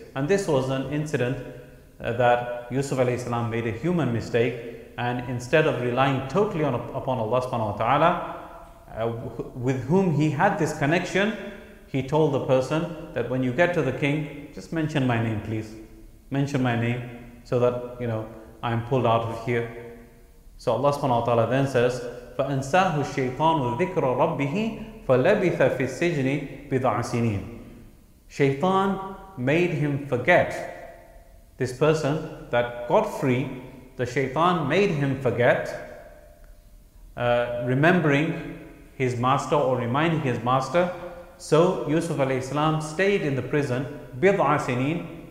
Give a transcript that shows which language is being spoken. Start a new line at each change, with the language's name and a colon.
English: And this was an incident that Yusuf alayhi salam made a human mistake, and instead of relying totally upon Allah subhanahu wa ta'ala, with whom he had this connection, he told the person that when you get to the king, just mention my name, please. Mention my name so that, you know, I'm pulled out of here. So Allah subhanahu wa ta'ala then says,
Arabic: فَأَنْسَاهُ الشَّيْطَانُ ذِكْرَ رَبِّهِ فَلَبِثَ فِي السِّجْنِ بِضَعَ سِنِينَ.
English: Shaytan made him forget this person that got free. The shaytan made him forget remembering his master or reminding his master. So Yusuf alayhi salam stayed in the prison bid'a sinin.